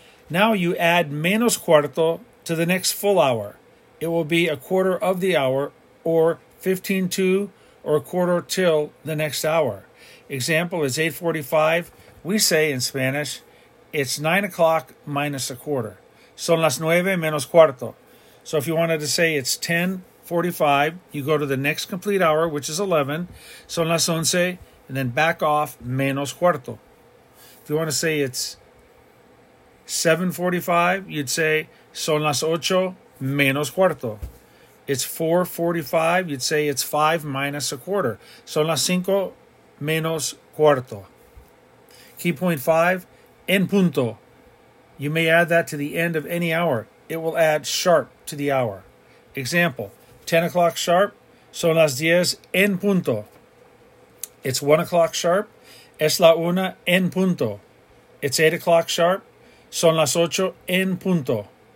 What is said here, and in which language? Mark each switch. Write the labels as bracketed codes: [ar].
[en] Now you add [es] menos cuarto [en] to the next full hour. It will be a quarter of the hour, or 15 to, or a quarter till the next hour. Example is 8:45. We say in Spanish, it's 9 o'clock minus a quarter. [es] Son las nueve menos cuarto. [en] So if you wanted to say it's 10:45, you go to the next complete hour, which is 11. [es] Son las once, [en] and then back off [es] menos cuarto. [en] If you want to say it's 7:45, you'd say [es] son las ocho menos cuarto. [en] It's 4:45, you'd say it's 5 minus a quarter. [es] Son las cinco menos cuarto. [en] Key point 5, [es] en punto. [en] You may add that to the end of any hour. It will add sharp to the hour. Example, 10 o'clock sharp, [es] son las 10 en punto. [en] It's 1 o'clock sharp, [es] es la una en punto. [en] It's 8 o'clock sharp, [es] son las 8 en punto.